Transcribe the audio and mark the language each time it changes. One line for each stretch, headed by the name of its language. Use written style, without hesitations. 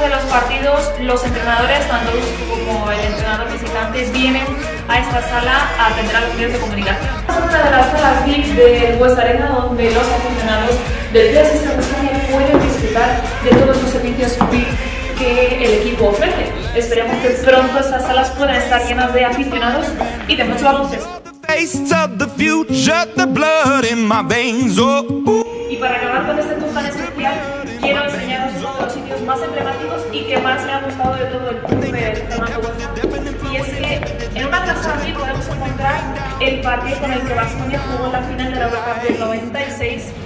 Spanish: Partidos, los entrenadores, tanto como el entrenador visitante, vienen a esta sala a atender a los medios de comunicación. Es una de las salas VIP del West Arena, donde los aficionados del TDC Baskonia pueden disfrutar de todos los servicios VIP que el equipo ofrece. Esperemos que pronto estas salas puedan estar llenas de aficionados y de mucho baloncesto.
English: Tastes of the future, the blood in my veins, oh.
Spanish: Y para acabar con este tour tan especial, quiero enseñaros uno de los sitios más emblemáticos y que más me ha gustado de todo el tour de Fernando. Y es que en una casa aquí podemos encontrar el partido con el que Baskonia jugó la final de la Eurocup del 96.